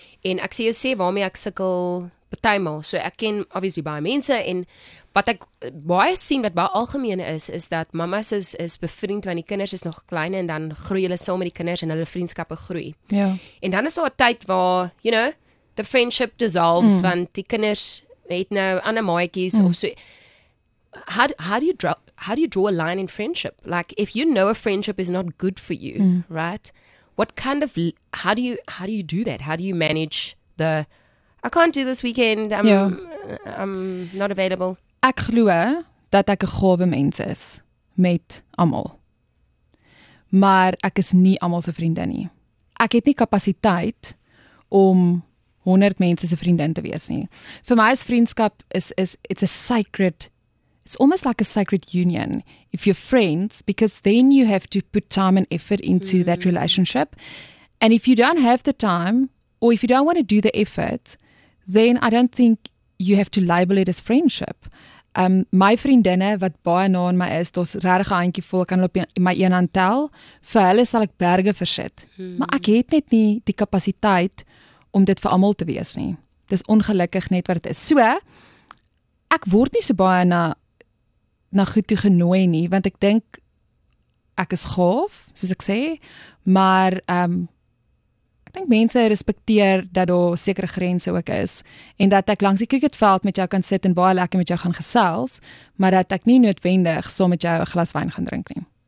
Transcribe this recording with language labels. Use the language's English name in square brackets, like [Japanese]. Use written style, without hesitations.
[Afrikaans] En ek sê jou sê waarmee ek sukkel partymal. So ek ken obviously baie mense en wat ek baie sien wat baie algemeen is, is dat mamas is bevriend want die kinders is nog klein en dan groei hulle saam met die kinders en hulle vriendskappe groei. Ja. En dan is daar 'n tyd waar, [English] you know, the friendship dissolves [Afrikaans] want die kinders het nou ander maatjies of so. [English] How do you draw a line in friendship? Like if you know a friendship is not good for you, right? What kind of how do you do that? How do you manage the I can't do this weekend. I'm not available. [Afrikaans] Ek glo dat ek 'n gawe mens is met almal. Maar ek is nie almal se vriendin nie. Ek het nie kapasiteit om 100 mense se vriendin te wees nie. Vir my is vriendskap is [English] it's a sacred. It's almost like a sacred union if you're friends, because then you have to put time and effort into that relationship. And if you don't have the time, or if you don't want to do the effort, then I don't think you have to label it as friendship. [Afrikaans] My vriendinne, wat baie na aan my is, daar's regtig 'n handjie vol, kan hulle op my een hand tel, vir hulle sal ek berge versit. Maar ek het net nie die kapasiteit om dit vir almal te wees nie. Dis ongelukkig net wat dit is. So, ek word nie so baie na goed toe genooi nie, want ek dink ek is gaaf, soos ek sê, maar ek dink mense respekteer dat daar sekere grense ook is, en dat ek langs die cricketveld met jou kan sit en baie lekker met jou gaan gesels, maar dat ek nie noodwendig saam met jou 'n glas wyn gaan drink nie.